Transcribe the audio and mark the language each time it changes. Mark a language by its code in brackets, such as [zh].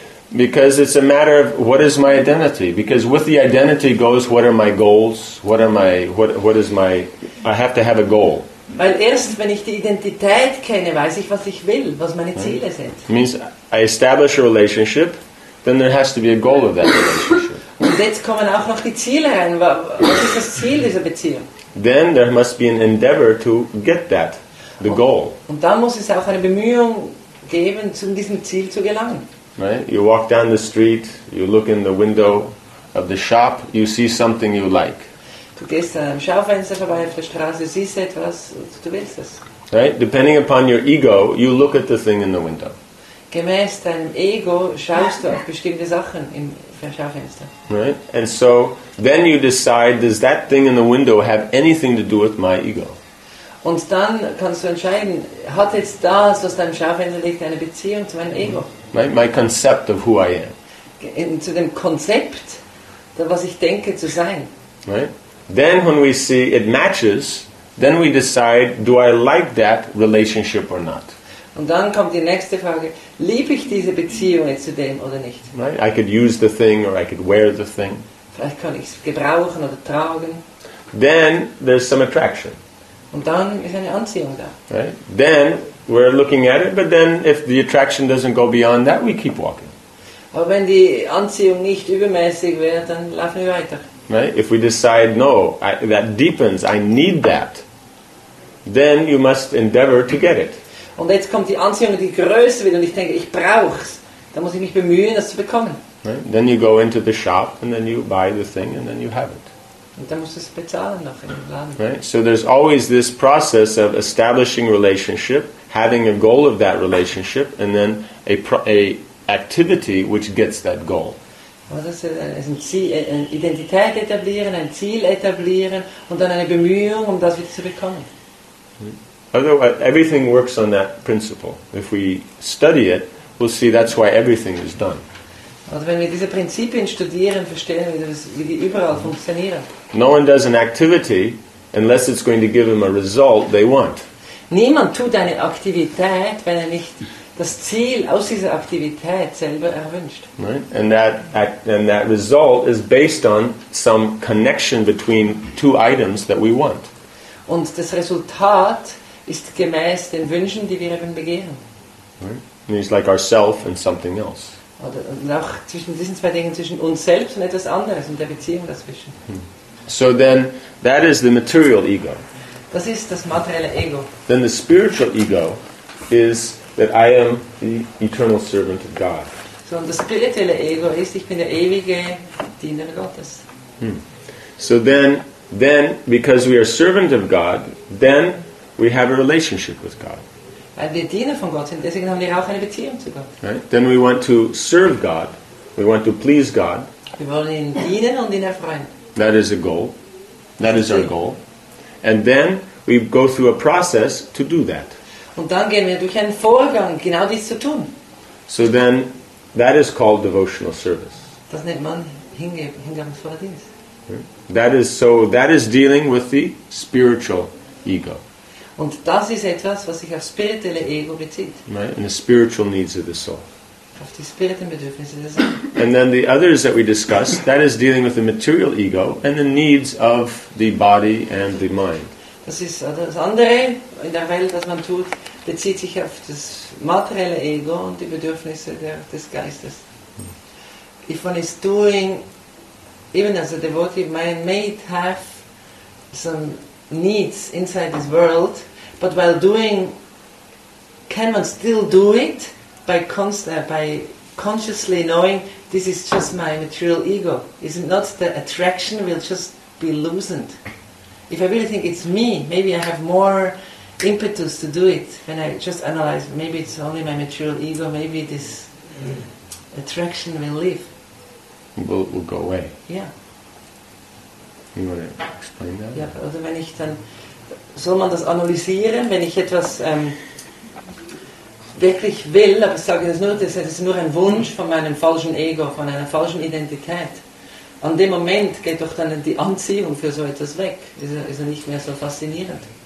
[en] Because it's a matter of what is my identity? Because with the identity goes, what are my goals? What am I? What is my? I have to have a goal. [de] Weil erst wenn ich die Identität kenne, weiß ich, was ich will, was meine Ziele sind. [en] It means I establish a relationship, then there has to be a goal of that relationship. [de] Und jetzt kommen auch noch die Ziele rein. Was ist das Ziel dieser Beziehung? [en] Then there must be an endeavor to get that, the goal. [de] Und dann muss es auch eine Bemühung geben, zu diesem Ziel zu gelangen. [en] Right? You walk down the street, you look in the window of the shop, you see something you like. [de] Du gehst an einem Schaufenster vorbei auf der Straße, siehst etwas, du willst es. [en] Right? Depending upon your ego, you look at the thing in the window. [de] Gemäß deinem Ego schaust du auf bestimmte Sachen im Schaufenster. [en] Right? And so, then you decide, does that thing in the window have anything to do with my ego? [de] Und dann kannst du entscheiden, hat jetzt das, was deinem Schaufenster liegt, eine Beziehung zu meinem Ego? [en] Right? My concept of who I am. [de] Zu dem Konzept, was ich denke zu sein. [en] Right? Then when we see it matches, then we decide, do I like that relationship or not? [de] Und dann kommt die nächste Frage, liebe ich diese Beziehung jetzt zu dem oder nicht? [en] Right? I could use the thing or I could wear the thing. [de] Vielleicht kann ich es gebrauchen oder tragen. [en] Then there's some attraction. [de] Und dann ist eine Anziehung da. [en] Right? Then we're looking at it, but then if the attraction doesn't go beyond that, we keep walking. [de] Aber wenn die Anziehung nicht übermäßig wäre, dann laufen wir weiter. [en] Right? If we decide, no, that deepens, I need that, then you must endeavor to get it. [de] Und jetzt kommt die Anziehung, die größer wird, und ich denke, ich brauch's. Dann muss ich mich bemühen, das zu bekommen. [en] Right? Then you go into the shop, and then you buy the thing, and then you have it. [de] Und dann musst du es bezahlen noch im Laden. [en] Right? So there's always this process of establishing relationship, having a goal of that relationship, and then a activity which gets that goal. [de] Das ist ein Ziel, eine Identität etablieren, ein Ziel etablieren und dann eine Bemühung, um das wieder zu bekommen. [en] Otherwise, everything works on that principle. If we study it, we'll see that's why everything is done. [de] Also wenn wir diese Prinzipien studieren, verstehen wir, wie die überall funktionieren. [en] No one does an activity unless it's going to give them a result they want. [de] Niemand tut eine Aktivität, wenn er nicht das Ziel aus dieser Aktivität selber erwünscht. [en] Right? And that result is based on some connection between two items that we want. [de] Und das Resultat ist gemäß den Wünschen, die wir eben begehren. [en] Right? It's like ourself and something else. [de] Oder auch zwischen diesen zwei Dingen, zwischen uns selbst und etwas anderes und der Beziehung dazwischen. [en] So then, that is the material ego. [de] Das ist das materielle Ego. [en] Then the spiritual ego is that I am the eternal servant of God. So the spiritual ego is, [de] ich bin der ewige Diener Gottes. [en] So then because we are servant of God, then we have a relationship with God. [de] Weil wir Diener von Gott sind, deswegen haben wir auch eine Beziehung zu Gott. [en] Right? Then we want to serve God. We want to please God. [de] Wir wollen ihn dienen und ihn erfreuen. [en] That is a goal. That is our goal. And then we go through a process to do that. [de] Und dann gehen wir durch einen Vorgang, genau dies zu tun. [en] So then, that is called devotional service. [de] Das nennt man Hingabenverdienst. [en] That is dealing with the spiritual ego. [de] Und das ist etwas, was sich auf spirituelle Ego bezieht. [en] Right? And the spiritual needs of the soul. [de] Auf die spirituellen Bedürfnisse der Seele. [en] And then the others that we discuss, that is dealing with the material ego and the needs of the body and the mind. [de] Das ist das andere in der Welt, was man tut, bezieht sich auf das materielle Ego und die Bedürfnisse des Geistes. [en] If one is doing, even as a devotee, man may have some needs inside this world, but while doing, can one still do it by consciously knowing this is just my material ego? Is it not the attraction will just be loosened? If I really think it's me, maybe I have more impetus to do it when I just analyze, maybe it's only my material ego, maybe this attraction will leave. Will go away. Yeah. You want to explain that? [de] Ja, oder wenn ich dann, soll man das analysieren, wenn ich etwas wirklich will, aber ich sage das ist nur ein Wunsch von meinem falschen Ego, von einer falschen Identität. An dem Moment geht doch dann die Anziehung für so etwas weg. Ist er nicht mehr so faszinierend.